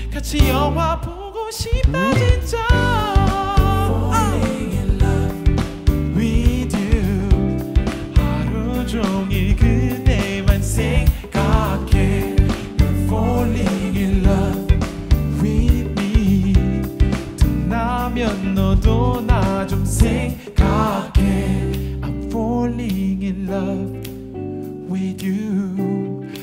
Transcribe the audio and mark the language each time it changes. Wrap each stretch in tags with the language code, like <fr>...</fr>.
<ko>같이 영화 보고 싶다 진짜.</ko> <en>Falling in love with you.</en> <ko>하루 종일 그대만 생각해.</ko> <en>Falling in love with me.</en> <ko>등나면 너도 나 좀 생각해.</ko> <en>I'm falling in love with you.</en>